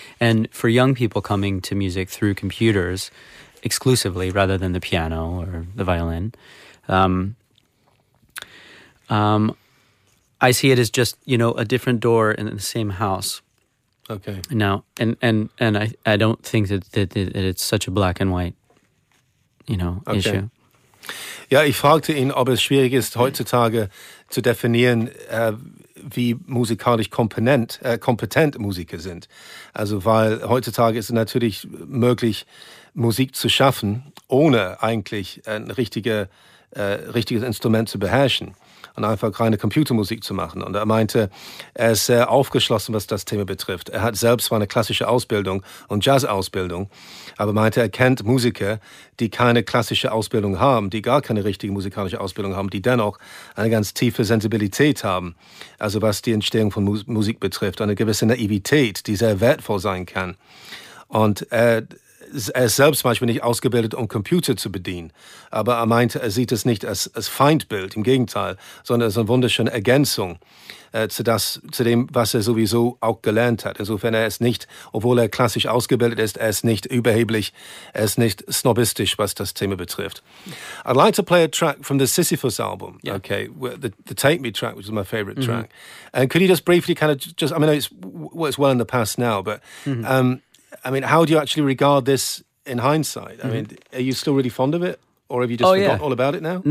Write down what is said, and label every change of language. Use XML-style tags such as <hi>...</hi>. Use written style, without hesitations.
<en>And for young people coming to music through computers exclusively, rather than the piano or the violin, I see it as just, you know, a different door in the same house. Okay. Now, and I don't think that it's such a black and white, you know, issue.</en> <de>Ja, ich fragte ihn, ob es schwierig ist, heutzutage zu definieren, wie musikalisch kompetent Musiker sind. Also weil heutzutage ist es natürlich möglich, Musik zu schaffen, ohne eigentlich ein richtiges Instrument zu beherrschen und einfach reine Computermusik zu machen. Und er meinte, er ist sehr aufgeschlossen, was das Thema betrifft. Er hat selbst zwar eine klassische Ausbildung und Jazz-Ausbildung, aber meinte, er kennt Musiker, die keine klassische Ausbildung haben, die gar keine richtige musikalische Ausbildung haben, die dennoch eine ganz tiefe Sensibilität haben, also was die Entstehung von Musik betrifft, eine gewisse Naivität, die sehr wertvoll sein kann. Und er ist selbst manchmal nicht ausgebildet, um Computer zu bedienen. Aber er meinte, er sieht es nicht als Feindbild, im Gegenteil, sondern als eine wunderschöne Ergänzung zu dem, was er sowieso auch gelernt hat. Insofern, er ist nicht, obwohl er klassisch ausgebildet ist, er ist nicht überheblich, er ist nicht snobbistisch, was das Thema betrifft.</de> <en>I'd like to play a track from the Sisyphus album. Yeah. Okay, the Take Me track, which is my favorite track. And could you just briefly kind of just, I mean, it's well in the past now, but... I mean, how do you actually regard this in hindsight? I mean, are you still really fond of it, or have you just forgotten all about it now?</en>